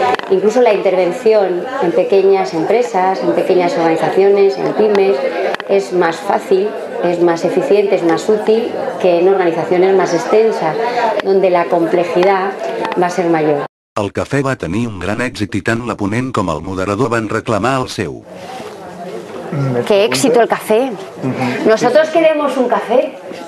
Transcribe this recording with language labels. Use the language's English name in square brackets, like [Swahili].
[Spanish] Incluso la intervención en pequeñas empresas, en pequeñas organizaciones, en pymes, es más fácil, es más eficiente, es más útil que en organizaciones más extensas, donde la complejidad va a ser mayor. [Catalan] El cafè va tenir un gran èxit i tant la ponent com el moderador van reclamar el seu. [Spanish] ¡Qué éxito el café! Nosotros queremos un café.